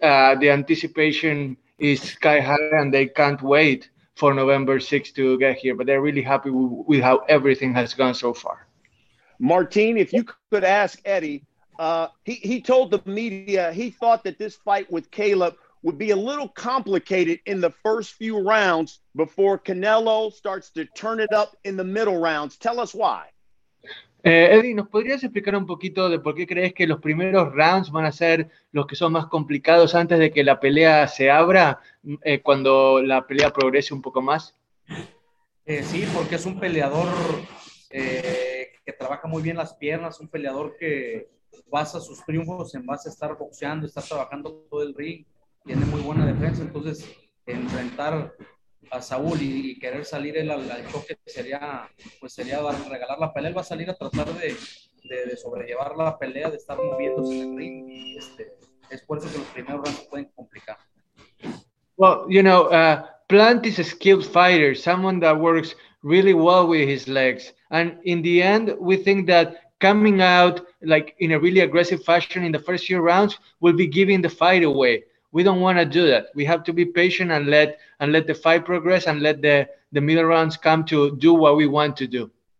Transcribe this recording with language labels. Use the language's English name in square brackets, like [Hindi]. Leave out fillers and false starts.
[English] The anticipation is sky high and they can't wait for November 6th to get here, but they're really happy with how everything has gone so far. Martin, if you could ask Eddie, he told the media he thought that this fight with Caleb would be a little complicated in the first few rounds before Canelo starts to turn it up in the middle rounds. Tell us why. [Spanish] Eddie, ¿nos podrías explicar un poquito de por qué crees que los primeros rounds van a ser los que son más complicados antes de que la pelea se abra cuando la pelea progrese un poco más? Sí, porque es un peleador que trabaja muy bien las piernas, un peleador que basa sus triunfos en base a estar boxeando, estar trabajando todo el ring. Tiene muy buena defensa, entonces enfrentar a Saúl y querer salir él al choque sería, pues sería regalar la pelea. Él va a salir a tratar de sobrellevar la pelea, de estar moviéndose en el ring. Es por eso que los primeros rounds pueden complicar. [English] Well, you know, Plant is a skilled fighter, someone that works really well with his legs. And in the end, we think that coming out like in a really aggressive fashion in the first few rounds will be giving the fight away. We don't want to do that. We have to be patient and let the fight progress and let the middle rounds come to do what we want to do.